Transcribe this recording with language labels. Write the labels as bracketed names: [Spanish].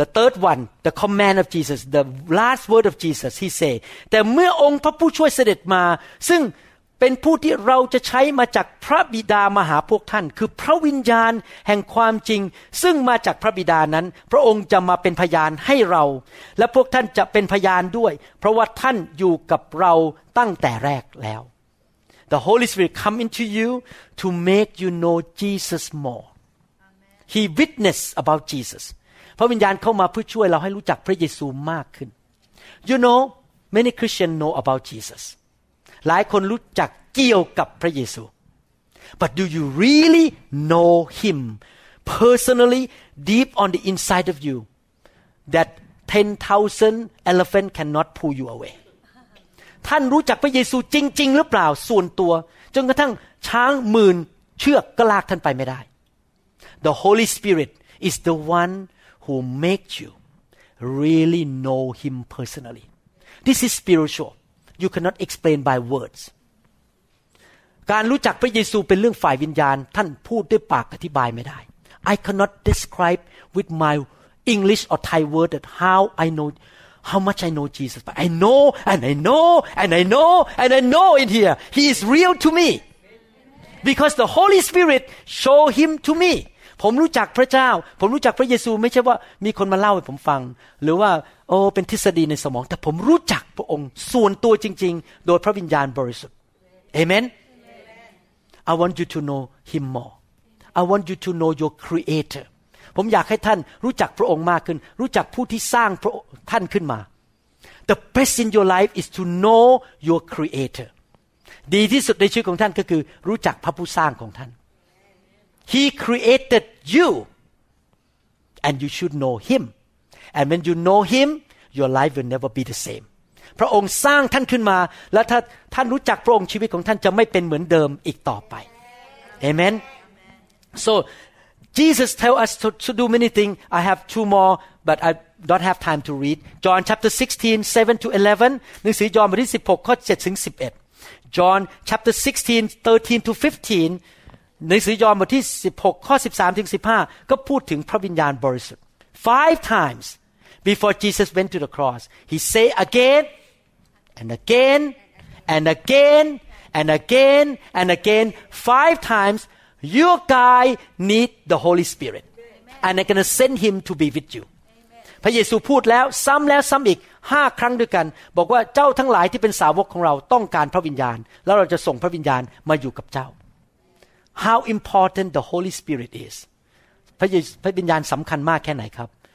[English] The third one, the command of Jesus, the last word of Jesus, he said, [Thai] แต่เมื่อองค์พระผู้ช่วยเสด็จมาซึ่งเป็นผู้ที่เราจะใช้มาจากพระบิดามาหาพวกท่านคือพระวิญญาณแห่งความจริงซึ่งมาจากพระบิดานั้นพระองค์จะมาเป็นพยานให้เราและพวกท่านจะเป็นพยานด้วยเพราะว่าท่านอยู่กับเราตั้งแต่แรกแล้ว [English] The Holy Spirit come into you to make you know Jesus more. Amen. He witness about Jesus. [Thai] พระวิญญาณเข้ามาเพื่อช่วยเราให้รู้จักพระเยซูมากขึ้น [English] You know, many Christians know about Jesus. [Thai] หลายคนรู้จักเกี่ยวกับพระเยซู [English] But do you really know him personally deep on the inside of you that 10,000 elephant cannot pull you away? [Thai] ท่านรู้จักพระเยซูจริงๆหรือเปล่าส่วนตัวจนกระทั่งช้างหมื่นเชือกก็ลากท่านไปไม่ได้ [English] The Holy Spirit is the one who makes you really know him personally. This is spiritual. You cannot explain by words. [Thai] การรู้จักพระเยซูเป็นเรื่องฝ่ายวิญญาณท่านพูดด้วยปากอธิบายไม่ได้ [English] I cannot describe with my English or Thai word that how I know how much I know Jesus but I know and I know and I know and I know in here he is real to me because the Holy Spirit show him to me [Thai] ผมรู้จักพระเจ้าผมรู้จักพระเยซูไม่ใช่ว่ามีคนมาเล่าให้ผมฟังหรือว่าโอ้เป็นทฤษฎีในสมองแต่ผมรู้จักพระองค์ส่วนตัวจริงๆโดยพระวิญญาณบริสุทธิ์ [English] AmenI want you to know him more. I want you to know your creator. [Thai] ผมอยากให้ท่านรู้จักพระองค์มากขึ้นรู้จักผู้ที่สร้างท่านขึ้นมา [English] The best in your life is to know your creator. [Thai] ดีที่สุดในชีวิตของท่านก็คือรู้จักพระผู้สร้างของท่าน [English] He created you. And you should know him. And when you know him, your life will never be the same. [Thai] พระองค์สร้างท่านขึ้นมาและถ้าท่านรู้จักพระองค์ชีวิตของท่านจะไม่เป็นเหมือนเดิมอีกต่อไป [English] Amen So Jesus tell us to do many things I have two more but I don't have time to read John chapter 16 7 to 11 [Thai] หนังสือยอห์นบทที่16ข้อ7ถึง11 [English] John chapter 16 13 to 15 [Thai] หนังสือยอห์นบทที่16ข้อ13ถึง15ก็พูดถึงพระวิญญาณบริสุทธิ์ [English] 5 timesBefore Jesus went to the cross, he said again and again and again and again and again 5 times, your guy need the Holy Spirit. And I'm going to send him to be with you. [Thai] พระเยซูพูดแล้วซ้ำแล้วซ้ำอีก5 ครั้งด้วยกันบอกว่าเจ้าทั้งหลายที่เป็นสาวกของเราต้องการพระวิญญาณแล้วเราจะส่งพระวิญญาณมาอยู่กับเจ้า [English] How important the Holy Spirit is. [Thai] พระวิญญาณสำคัญมากแค่ไหนครับ